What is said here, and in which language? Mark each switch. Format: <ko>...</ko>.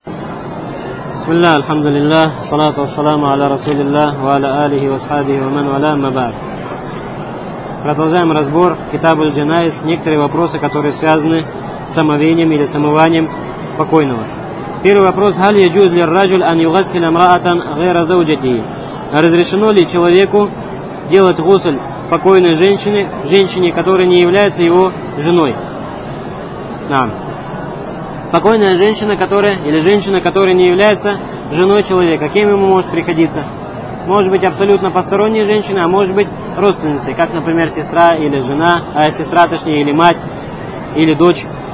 <ar>بسم الله الحمد لله صلاة والسلام على رسول الله وعلى آله وصحبه ومن والاه ما بعد.</ar> <ru>Продолжаем разбор Китаб аль-Джанаиз, некоторые вопросы, которые связаны с омовением или с омыванием покойного. Первый вопрос:</ru> <ar>هل يجوز للرجل أن يغسل امرأة غير زوجته?</ar> <ru>Разрешено ли человеку делать гусль покойной женщины, женщине, которая не является его женой? Да. Покойная женщина, которая, или женщина, которая не является женой человека, кем ему может приходиться? Может быть, абсолютно посторонняя женщина, а может быть, родственницей, как, например, сестра или жена, сестра, точнее, или мать, или дочь.</ru>